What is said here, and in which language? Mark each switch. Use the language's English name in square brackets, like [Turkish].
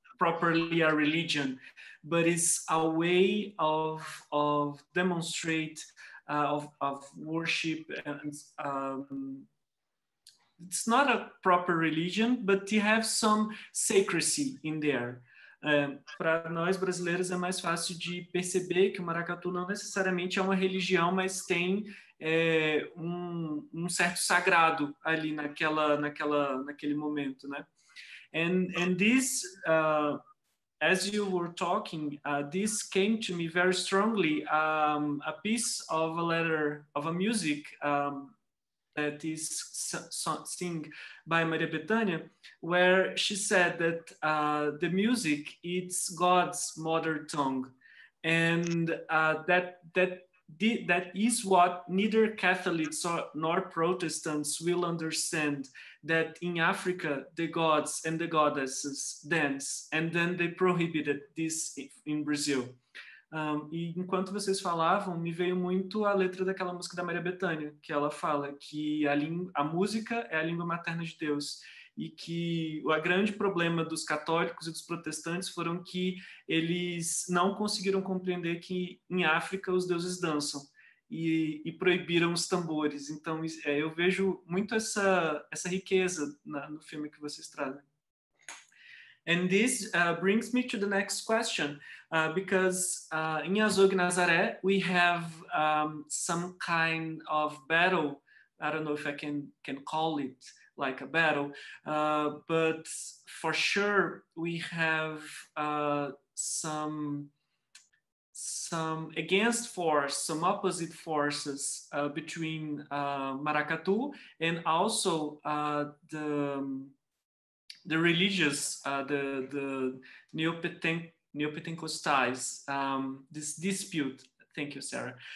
[English] properly a religion, but it's a way of demonstrate of worship, and it's not a proper religion, but you have some secrecy in there. [Portuguese] Para nós brasileiros é mais fácil de perceber que o maracatu não necessariamente é uma religião, mas tem um certo sagrado ali naquele momento, né? [English] And this, as you were talking, this came to me very strongly, a piece of a letter of a music that is sung by Maria Bethânia, where she said that the music, it's God's mother tongue. And that is what neither Catholics nor Protestants will understand, that in Africa, the gods and the goddesses dance, and then they prohibited this in Brazil. [Portuguese] E enquanto vocês falavam, me veio muito a letra daquela música da Maria Bethânia, que ela fala que a música é a língua materna de Deus, e que o grande problema dos católicos e dos protestantes foram que eles não conseguiram compreender que em África os deuses dançam, e proibiram os tambores. Então, eu vejo muito essa riqueza no filme que vocês trazem. [English] And this brings me to the next question, because in Azog Nazaré, we have some kind of battle. I don't know if I can call it like a battle, but for sure we have some against force, some opposite forces between Maracatu and also the religious, the Neopentecostals, this dispute. Thank you, Sarah.